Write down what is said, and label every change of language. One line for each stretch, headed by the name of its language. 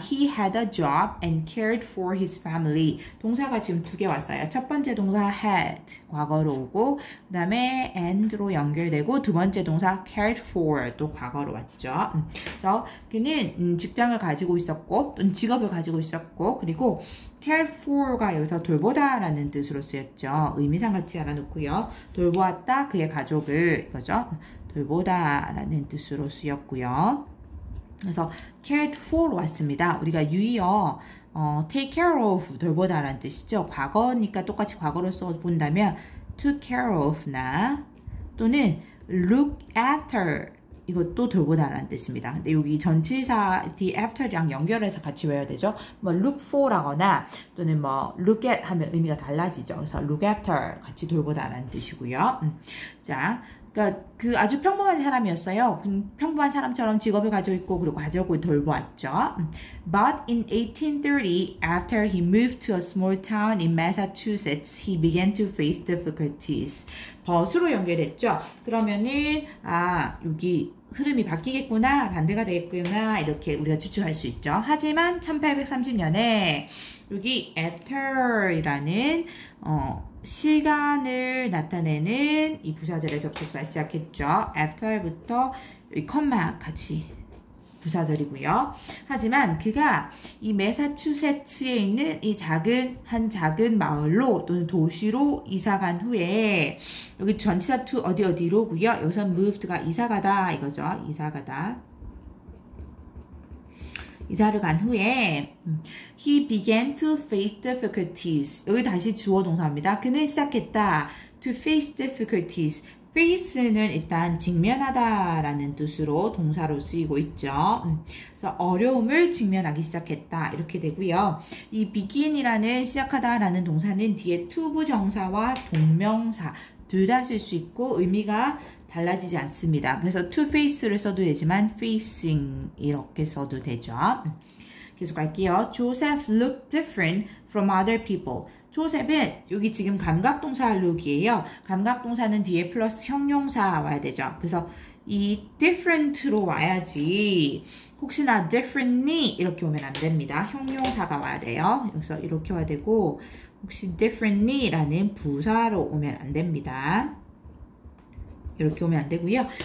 English: He had a job and cared for his family.
Korean: 동사가 지금 두 개 왔어요. 첫 번째 동사 had, 과거로 오고 그 다음에 and로 연결되고 두 번째 동사 cared for, 또 과거로 왔죠. 그래서 그는 직장을 가지고 있었고 또는 직업을 가지고 있었고 그리고 care for가 여기서 돌보다 라는 뜻으로 쓰였죠. 의미상 같이 알아놓고요. 돌보았다, 그의 가족을, 이거죠. 돌보다 라는 뜻으로 쓰였고요. 그래서 cared for 왔습니다. 우리가 유의어 take care of 돌보다 라는 뜻이죠. 과거니까 똑같이 과거로 써본다면 took care of나 또는 look after 이것도 돌보다 라는 뜻입니다. 근데 여기 전치사 the after랑 연결해서 같이 외워야 되죠. 뭐 look for라거나 또는 뭐 look at 하면 의미가 달라지죠. 그래서 look after 같이 돌보다 라는 뜻이고요. 자, 그러니까 그 아주 평범한 사람이었어요. 평범한 사람처럼 직업을 가지고 있고 그리고 가족을 돌보았죠.
English: But in 1830, after he moved to a small town in Massachusetts, he began to face difficulties.
Korean: But으로 연결했죠. 그러면은 아, 여기 흐름이 바뀌겠구나, 반대가 되겠구나 이렇게 우리가 추측할 수 있죠. 하지만 1830년에 여기 after이라는 시간을 나타내는 이 부사절의 접속사 시작했죠. after부터 이 콤마 같이 부사절이고요. 하지만 그가 이 매사추세츠에 있는 이 작은, 한 작은 마을로 또는 도시로 이사간 후에 여기 전치사 to 어디 어디로고요. 여기서 moved가 이사가다 이거죠. 이사가다. 이사를 간 후에
English: he began to face difficulties.
Korean: 여기 다시 주어 동사입니다. 그는 시작했다.
English: to face difficulties.
Korean: face는 일단 직면하다 라는 뜻으로 동사로 쓰이고 있죠. 그래서 어려움을 직면하기 시작했다 이렇게 되고요. 이 begin이라는 시작하다 라는 동사는 뒤에 to 부정사와 동명사 둘 다 쓸 수 있고 의미가 달라지지 않습니다. 그래서 to face를 써도 되지만 facing 이렇게 써도 되죠. 계속 갈게요.
English: Joseph looked different from other people.
Korean: Joseph은 여기 지금 감각동사 look이에요. 감각동사는 뒤에 플러스 형용사 와야 되죠. 그래서 이 different로 와야지 혹시나 differently 이렇게 오면 안 됩니다. 형용사가 와야 돼요. 여기서 이렇게 와야 되고 혹시 differently 라는 부사로 오면 안 됩니다. 이렇게 오면 안 되고요.